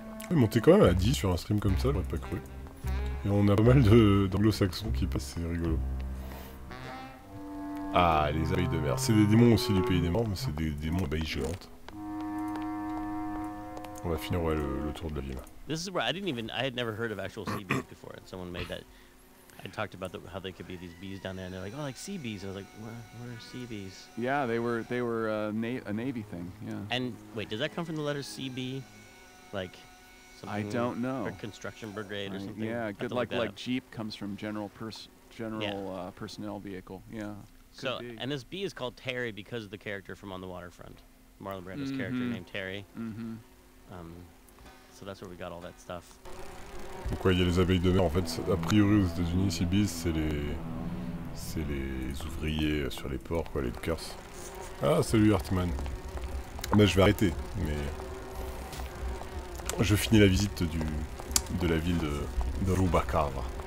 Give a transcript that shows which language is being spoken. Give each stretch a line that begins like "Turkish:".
French: Mais monter quand même à 10 sur un stream comme ça, j'aurais pas cru. Et on a pas mal d'anglo-saxons qui passent, c'est rigolo. Ah, les abeilles de mer. C'est des démons aussi du pays des morts, mais c'est des démons abeilles géantes. On va finir le tour de la ville.
English: This is where I had never heard of actual sea bees before, and someone made that. I talked about how they could be these bees down there, and they're like, oh, like sea bees. I was like, what are sea bees? Yeah, they were a navy thing. Yeah. And wait, does that come from the letter CB, like something? I don't know. A construction brigade or something. Yeah, good. Like Jeep comes from general personnel vehicle. Yeah. So and this bee is called Terry because of the character from On the Waterfront, Marlon Brando's mm-hmm. character named Terry. Mm-hmm. So that's where we got all that stuff.
French: Donc ouais, il y a les abeilles de mer. En fait, a priori aux États-Unis, ces bees, c'est les ouvriers sur les ports, quoi, les dockers. Ah, salut Hartman. Mais je vais arrêter. Mais je finis la visite de la ville de Rubacaba.